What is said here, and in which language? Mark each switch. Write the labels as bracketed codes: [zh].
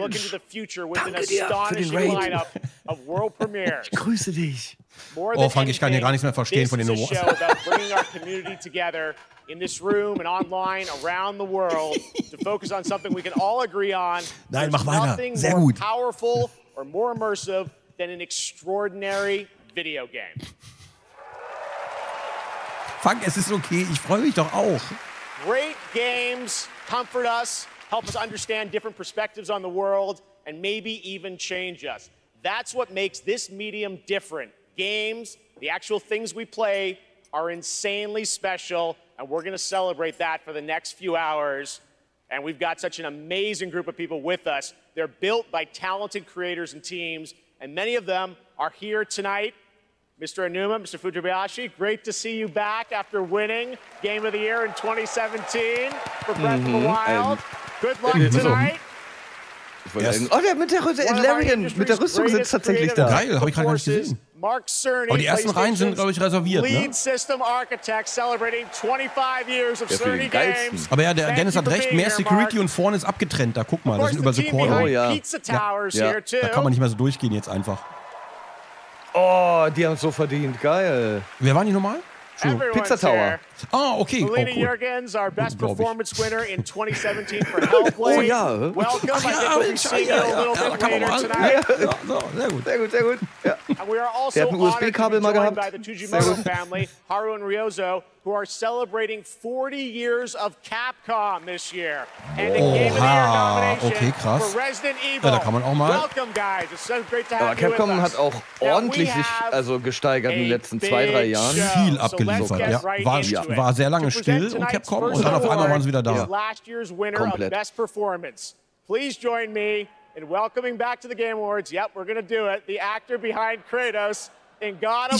[en] look into the future with an astonishing lineup of world premieres. [de] Ich grüße dich. Oh, Frank, ich kann hier gar nichts mehr verstehen von den Awards. [en] Bringing our community together in this room and online around the world to focus on something we can all agree on. [de] Nein, mach weiter. Sehr gut. [en] Nothing more powerful or more immersive than an extraordinary video game. [de] Frank, es ist okay. Ich freue mich doch auch. [en] Great games comfort us, help us understand different perspectives on the world, and maybe even change us. That's what makes this medium different. Games, the actual things we play, are insanely special, and we're going to celebrate that for the next few hours. And we've got such an amazing group of people with us. They're built by talented creators and teams, and many of them are here tonight. Mr. Inuma, Mr. Fujibayashi, great to see you back after winning Game of the Year in 2017 for Breath of the Wild. Good luck tonight. [de] Yes. Oh, der mit der Larian, mit der Rüstung sitzt tatsächlich da. Geil, habe ich gerade gar nicht gesehen. [en] Mark Cerny, [de] oh, die ersten Reihen sind, glaube ich, reserviert. [en] Lead, [de] ne? [en] System Architect celebrating 25 years of Cerny Games. [de] Aber ja, der Thank Dennis hat recht, mehr Security here, und vorne ist abgetrennt. Da guck mal, da sind überall so Korner. Oh ja. Ja. Ja. Da kann man nicht mehr so durchgehen jetzt einfach. Oh, die haben es so verdient. Geil. Wer waren die nochmal? Pizza Tower. Ah, okay. Melina, oh, cool. [en] Jurgens, our best performance winner in 2017 for Hellblade. [de] Oh, ja. Welcome. Ach, ja, ich sehe ja. Ja, ja, kann man mal. Ja. So, sehr gut. Sehr gut, sehr gut. Ja. [en] And we are also [de] der hat ein USB-Kabel mal gehabt. [en] By the Tujimoto family, Haru and Ryozo, who are celebrating 40 years of Capcom this year. And oh, a Game of the Year nomination, okay, krass, for Resident Evil. [de] Ja, da kann man auch mal. [en] Welcome, guys. It's so great to have you with us. [de] Capcom hat auch ordentlich sich also gesteigert in den letzten zwei, drei Jahren. Viel abgeliefert. Ja, war, ja, war sehr lange still um Capcom und dann auf einmal waren sie wieder da. [en] Last year's winner of best performance. Please join me in welcoming back to the Game Awards. Yep, we're gonna do it. The actor behind Kratos in God of